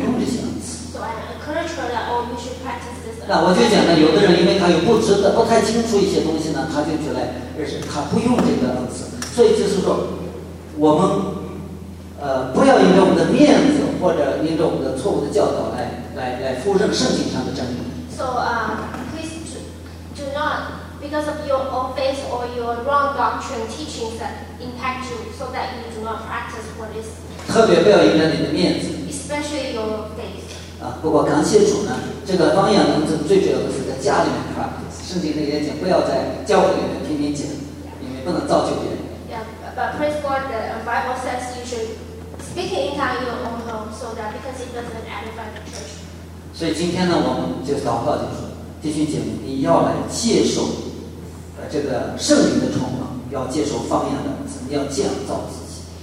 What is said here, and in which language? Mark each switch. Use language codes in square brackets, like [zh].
[zh] 用这些词。 [en] So I encourage her that, oh, you should practice this. [zh] 那我就讲了，有的人因为他有不知的、不太清楚一些东西呢，他就觉得，他不用这个词。所以就是说，我们不要因着我们的面子或者因着我们的错误的教导来否认圣经上的真理。 [en] So please do not. Because of your own faith or your wrong doctrine teachings that impact you, so that you do not practice what is. [zh] 特别不要影响你的面子。 [en] Especially your faith. [zh] 不过感谢主呢，这个方言能证最主要的是在家里面 practice。圣经里也讲，不要在教会里面天天讲， [en] yeah. [zh] 因为不能造就别人。 [en] Yeah, but praise God, the Bible says you should speak in tongues in your own home, so that because it doesn't edify the church. [zh] 所以今天呢，我们就祷告就说。弟兄姐妹，你要来接受这个圣灵的充满，要接受方言的恩赐，你要建造自己。